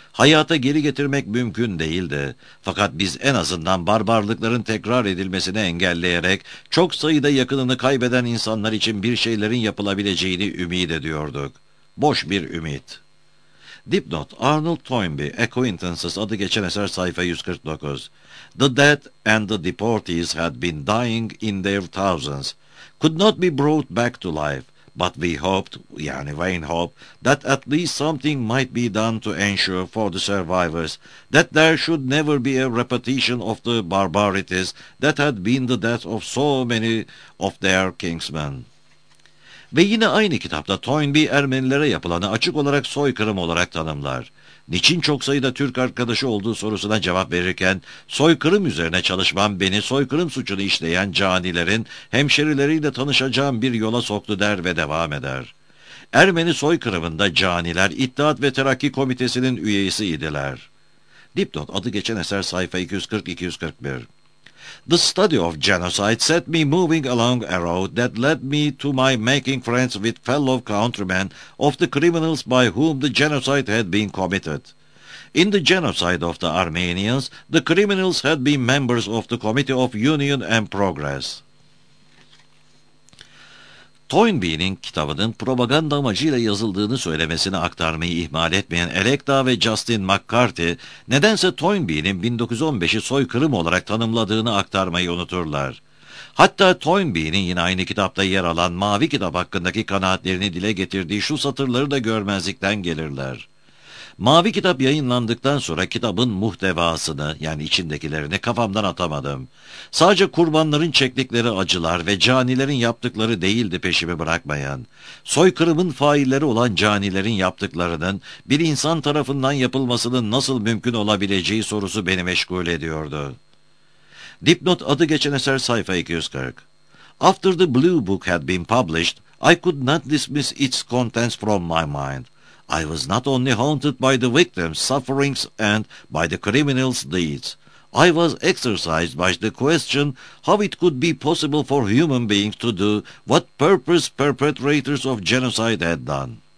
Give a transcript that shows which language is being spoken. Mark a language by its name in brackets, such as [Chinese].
[Turkish] Hayata geri getirmek mümkün değildi. Fakat biz en azından barbarlıkların tekrar edilmesini engelleyerek çok sayıda yakınını kaybeden insanlar için bir şeylerin yapılabileceğini ümit ediyorduk. Boş bir ümit. Dipnot, Arnold Toynbee, Acquaintances adı geçen eser sayfa 149. [English] The dead and the deportees had been dying in their thousands, could not be brought back to life, but we hoped, [Turkish] yani [English] Wayne Hope, that at least something might be done to ensure for the survivors that there should never be a repetition of the barbarities that had been the death of so many of their kinsmen. [Turkish] Ve yine aynı kitapta Toynbee Ermenilere yapılanı açık olarak soykırım olarak tanımlar. Niçin çok sayıda Türk arkadaşı olduğu sorusuna cevap verirken, soykırım üzerine çalışmam beni soykırım suçunu işleyen canilerin hemşerileriyle tanışacağım bir yola soktu der ve devam eder. Ermeni soykırımında caniler İttihat ve Terakki Komitesi'nin üyesiydiler. Dipnot adı geçen eser sayfa 240-241. [English] The study of genocide set me moving along a road that led me to my making friends with fellow countrymen of the criminals by whom the genocide had been committed. In the genocide of the Armenians, the criminals had been members of the Committee of Union and Progress. [Turkish] Toynbee'nin kitabının propaganda amacıyla yazıldığını söylemesini aktarmayı ihmal etmeyen Elekta ve Justin McCarthy, nedense Toynbee'nin 1915'i soykırım olarak tanımladığını aktarmayı unuturlar. Hatta Toynbee'nin yine aynı kitapta yer alan Mavi Kitap hakkındaki kanaatlerini dile getirdiği şu satırları da görmezlikten gelirler. Mavi Kitap yayınlandıktan sonra kitabın muhtevasını, yani içindekilerini kafamdan atamadım. Sadece kurbanların çektikleri acılar ve canilerin yaptıkları değildi peşimi bırakmayan. Soykırımın failleri olan canilerin yaptıklarının bir insan tarafından yapılmasının nasıl mümkün olabileceği sorusu beni meşgul ediyordu. Dipnot adı geçen eser sayfa 240. [English] After the Blue Book had been published, I could not dismiss its contents from my mind. I was not only haunted by the victims' sufferings and by the criminals' deeds. I was exercised by the question how it could be possible for human beings to do what purpose perpetrators of genocide had done.